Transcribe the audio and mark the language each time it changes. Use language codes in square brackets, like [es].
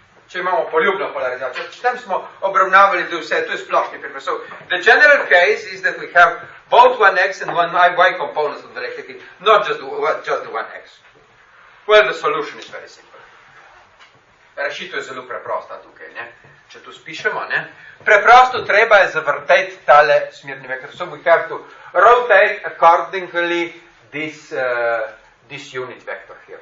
[sl] Če imamo poljubno polarizacijo, če tam smo obravnavali, da vse, to je splošni primer. [en] So, the general case is that we have both 1x and 1y components of the electric field, not just the 1x. Well, the solution is very simple. [sl] Rešitev je zelo preprosta tukaj, ne? Če tu spišemo, ne? Preprosto treba je zavrteti tale smerni vektor. [en] So we have to rotate accordingly this unit vector here.